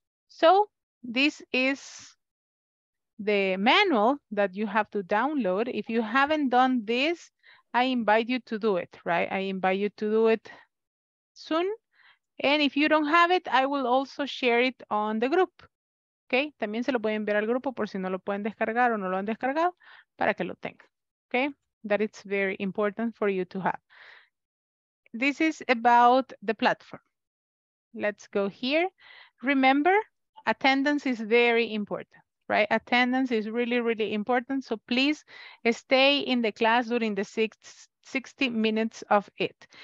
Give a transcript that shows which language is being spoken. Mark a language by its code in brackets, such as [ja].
[en] So this is the manual that you have to download. If you haven't done this, I invite you to do it, right? I invite you to do it soon. And if you don't have it, I will also share it on the group. [es] Okay, también se lo voy a enviar al grupo por si no lo pueden descargar o no lo han descargado, para que lo tengan. [en] Okay, that it's very important for you to have. This is about the platform. Let's go here. Remember, attendance is very important, right? Attendance is really, really important. So please stay in the class during the 60 minutes of it.